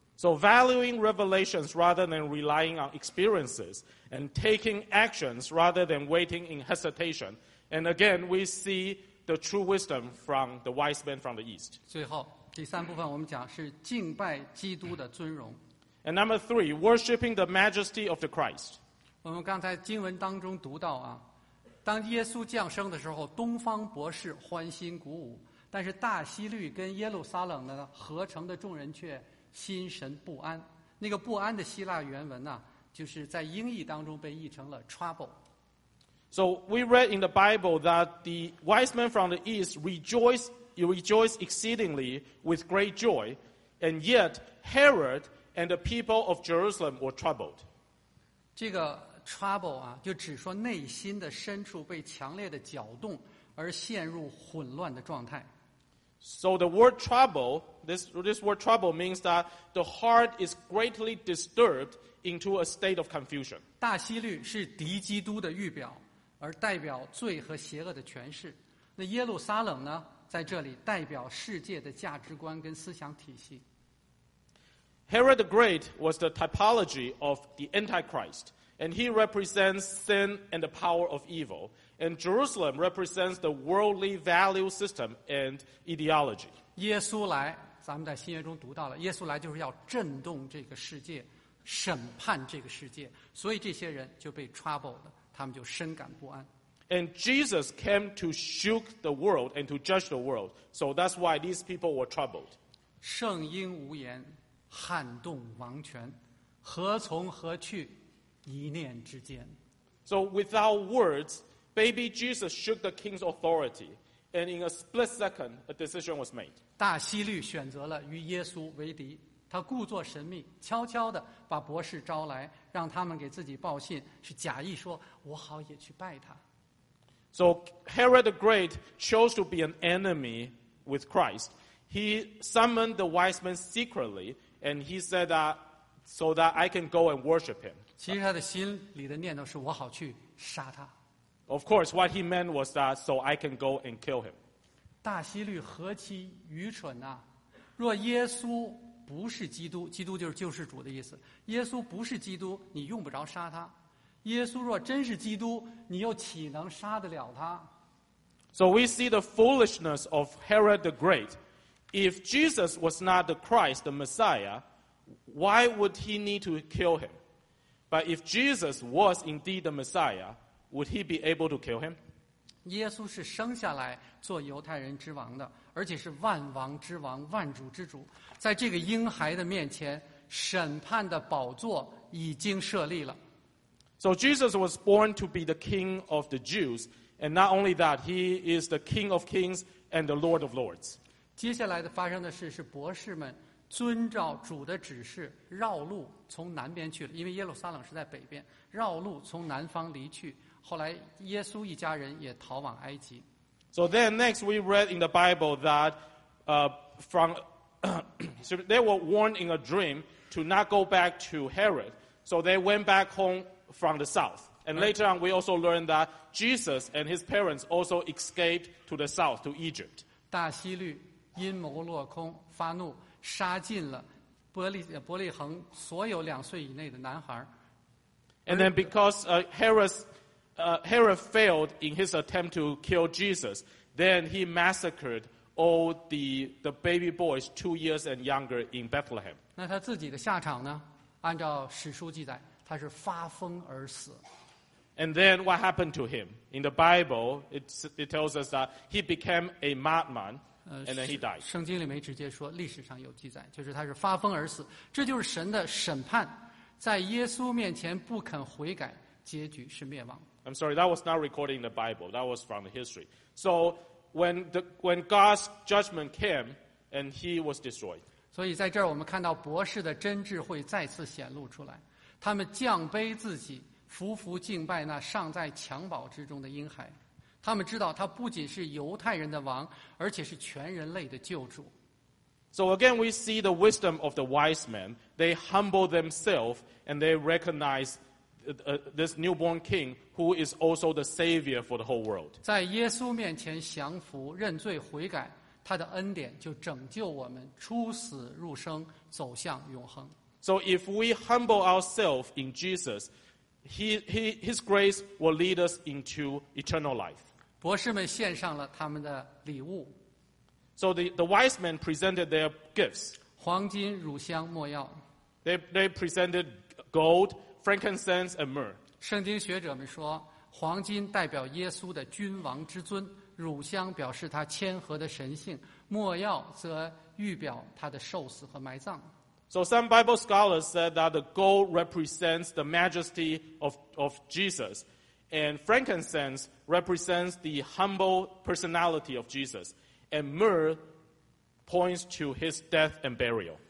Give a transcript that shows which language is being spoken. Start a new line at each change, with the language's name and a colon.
English: So valuing revelations rather than relying on experiences, and taking actions rather than waiting in hesitation, and again we see the true wisdom from the wise men from the East.
Chinese: 最后第三部分我们讲是敬拜基督的尊荣。
English: And number three, worshiping the majesty of the Christ.
Chinese: 我们刚才经文当中读到啊，当耶稣降生的时候，东方博士欢欣鼓舞。但是大希律跟耶路撒冷的合成的众人却心神不安。那个不安的希腊原文呢，就是在英译当中被译成了 trouble。
English: So we read in the Bible that the wise men from the east rejoice exceedingly with great joy, and yet Herod and the people of Jerusalem were troubled.
Chinese: 这个 trouble 啊，就只说内心的深处被强烈的搅动而陷入混乱的状态。
English: So the word trouble, this word trouble means that the heart is greatly disturbed into a state of confusion.
Chinese: 大希律是敌基督的预表，而代表罪和邪恶的权势。那耶路撒冷呢，在这里代表世界的价值观跟思想体系。
English: Herod the Great was the typology of the Antichrist, and he represents sin and the power of evil. And Jerusalem represents the worldly value system and ideology.
Chinese: 耶稣来，咱们在新约中读到了，耶稣来就是要震动这个世界，审判这个世界，所以这些人就被 troubled 了，他们就深感不安。
English: And Jesus came to shook the world and to judge the world, so that's why these people were troubled.
Chinese: 圣婴无言，撼动王权，何从何去？一念之间。
English: So without words, baby Jesus shook the king's authority, and in a split second, a decision was made.
Chinese: 大希律选择了与耶稣为敌，他故作神秘，悄悄地把博士招来，让他们给自己报信，是假意说我好也去拜他。
English: So Herod the Great chose to be an enemy with Christ. He summoned the wise men secretly, and he said that so that I can go and worship him.
Chinese: 其实他的心里的念头是我好去杀他。
English: Of course, what he meant was that so I can go and kill him.
Chinese: 大希律何其愚蠢啊！若耶稣不是基督，基督就是救世主的意思。耶稣不是基督，你用不着杀他。耶稣若真是基督，你又岂能杀得了他？
English: So we see the foolishness of Herod the Great. If Jesus was not the Christ, the Messiah, why would he need to kill him? But if Jesus was indeed the Messiah, would he be able to kill him?
Chinese: 耶稣是生下来做犹太人之王的，而且是万王之王，万主之主。在这个婴孩的面前，审判的宝座已经设立了。
English: So Jesus was born to be the king of the Jews, and not only that, he is the king of kings and the lord of lords.
Chinese: 接下来的发生的事是博士们遵照主的指示绕路从南边去了，因为耶路撒冷是在北边，绕路从南方离去，后来耶稣一家人也逃往埃及。
English: So then next we read in the Bible that they were warned in a dream to not go back to Herod, so they went back homefrom the south. And later on, we also learned that Jesus and his parents also escaped to the south, to Egypt.
Chinese: 大希律阴谋落空，发怒，杀尽了伯利恒所有两岁以内的男孩。
English: And then because Herod failed in his attempt to kill Jesus, then he massacred all the baby boys 2 years and younger in Bethlehem.
Chinese: 那他自己的下场呢？按照史书记载，他是发疯而死。
English: And then what happened to him? In the Bible, it tells us that he became a madman, and then he died.
Chinese: 圣经里没直接说，历史上有记载，就是他是发疯而死。这就是神的审判，在耶稣面前不肯悔改，结局是灭亡。
English: I'm sorry, that was not recorded in the Bible. That was from the history. So when God's judgment came, and he was destroyed.
Chinese: 所以在这儿我们看到博士的真智慧再次显露出来。他们降卑自己，匍匐敬拜那尚在襁褓之中的婴孩。他们知道他不仅是犹太人的王，而且是全人类的救主。
English: So again, we see the wisdom of the wise men. They humble themselves and they recognize this newborn king who is also the savior for the whole world.
Chinese: 在耶稣面前降服、认罪、悔改，他的恩典就拯救我们出死入生，走向永恒。
English: So if we humble ourselves in Jesus, His grace will lead us into eternal life.
Chinese: 博士们献上了他们的礼物。
English: So the wise men presented their gifts.
Chinese: 黄金、乳香、末药。
English: They presented gold, frankincense, and myrrh.
Chinese: 圣经学者们说，黄金代表耶稣的君王之尊，乳香表示他谦和的神性，末药则预表他的受死和埋葬。
English: So some Bible scholars said that the gold represents the majesty of Jesus, and frankincense represents the humble personality of Jesus, and myrrh points to his death and burial.